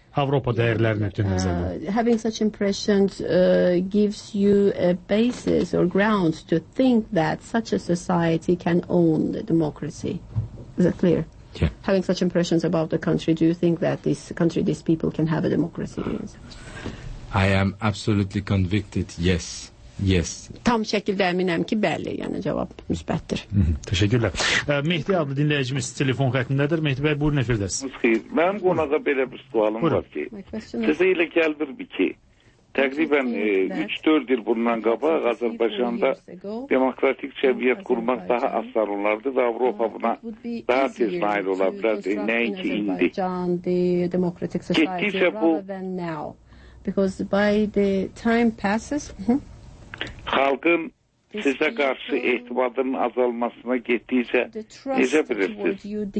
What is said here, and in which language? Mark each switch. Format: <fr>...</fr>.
<az>Avropa dəyərlərinə tün nəzərdə.</az> <en>Having such impressions gives you a basis or grounds to think that such a society can own the democracy. Is that clear? Yeah. Having such impressions about the country, do you think that this country, these people can have a democracy? I am absolutely convicted, yes. Yes.</en> <az>Tam şəkildə əminəm ki, bəli, yəni cavab müsbətdir. Təşəkkürlər. Mehdi adlı dinləyicimiz telefon xəttindədir. Mehdi bəy, buyurun efirdəsiniz. Xeyr. Mənim qonağa belə bir sualım var ki, sizə elə gəlir ki, təqribən 3-4 il bundan qabaq Azərbaycanda demokratik cəmiyyət qurmaq daha asan olardı və Avropa buna daha tez nail ola bilərdi. Nəinki indi. Getdikcə bu...</az> <en>Because by the time passes...</en> <az>Xalqın sizə qarşı ehtimadının azalmasına getdiyisə, necə bilirsiniz?</az>